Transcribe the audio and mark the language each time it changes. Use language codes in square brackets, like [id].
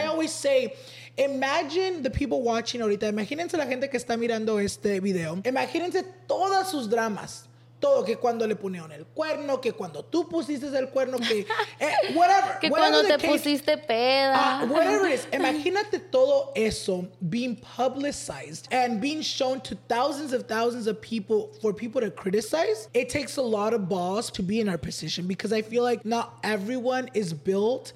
[en] And I always say, imagine the people watching [es] ahorita. Imagínense la gente que está mirando este video. Imagínense todas sus dramas. Todo, que cuando le ponieron el cuerno, que cuando tú pusiste el cuerno, que... pusiste peda. [en] Whatever it is. [es] Imagínate todo eso [en] being publicized and being shown to thousands of thousands of people for people to criticize. It takes a lot of balls to be in our position because I feel like not everyone is built.